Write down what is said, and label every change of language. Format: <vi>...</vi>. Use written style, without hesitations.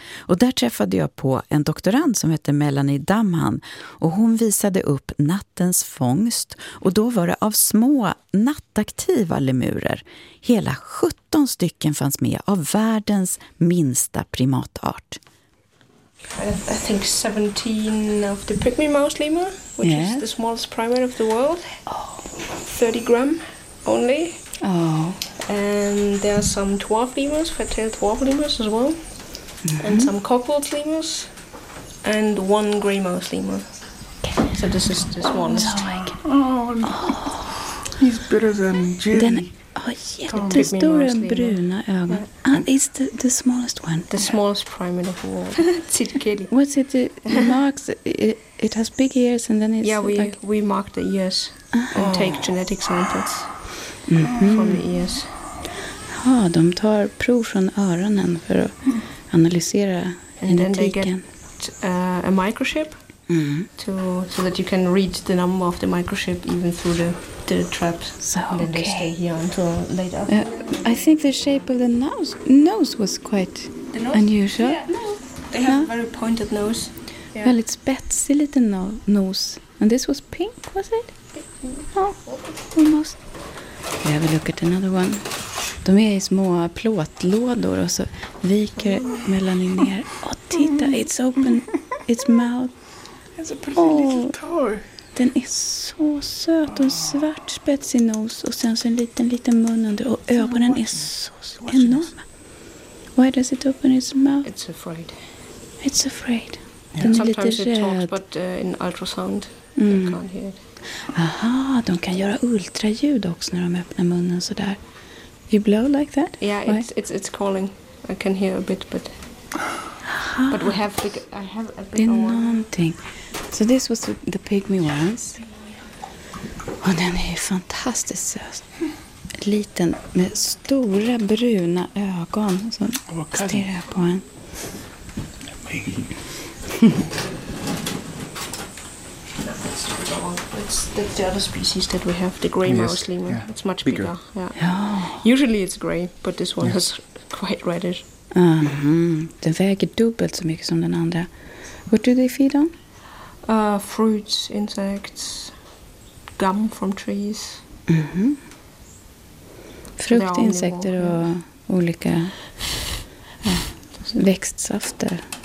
<sv>Och där träffade jag på en doktorand som heter Melanie Damhan, och hon visade upp nattens fångst. Och då var det av små nattaktiva lemurer. Hela 17 stycken fanns med av världens minsta primatart.</sv> <en>I think 17 of the pygmy mouse lemur, which is the smallest primate of the world. Oh. 30 gram only. Oh. And there are some dwarf lemurs, fat-tailed dwarf lemurs as well. Mm-hmm. And some cockwolf lemurs. And one grey mouse lemur. So this is the smallest. Oh, he's bigger than Jimmy.</en> <sv>Den har jättestora bruna ögon.</sv> <en>And it's the smallest one. The smallest primate of all. Tidkeli. What's it? The marks. It has big ears, and then it's. Yeah, we mark the ears and take genetic samples from the ears.</en> <sv>Ja, de tar prov från öronen för att analysera genetiken.</sv> <en>And then they get a microchip so that you can read the number of the microchip even through the traps. So okay. Then they stay here until later. I think the shape of the nose was quite unusual. Yeah, they have very pointed nose. Yeah. Well, it's spetsy little nose. And this was pink, was it? Oh, almost. We have a look at another one.</en> <sv>De är i små plåtlådor och så viker Melanie ner. Och titta,</sv> <en>it's open. It's mouth. It's a pretty little toe.</en> <sv>Den är så söt och svart spetsig nos. Och sen så en liten mun under. Och ögonen är så enorma.</sv> <en>Why does it open its mouth? It's afraid. It's afraid. Yeah. Sometimes it talks, but in ultrasound, they can't hear it.</en> <sv>Aha, de kan göra ultraljud också när de öppnar munnen så där.</sv> <en>You blow like that? Yeah, why? it's calling. I can hear a bit, but... Aha. But we have... I have a bit of nothing. So this was the pygmy ones.</en> <sv>Och den är fantastiskt söt. Liten, med stora bruna ögon som stirrar på en.</sv> <en>It's the other species that we have, the grey mouse lemur. Yeah. It's much bigger. Yeah. Usually it's grey, but this one is quite reddish.</en> <sv>Den väger dubbelt så mycket som den andra.</sv> <en>What do they feed on? Fruits, insects, gum from trees.</en> <sv>Frukt, insekter och olika växtsafter.</sv>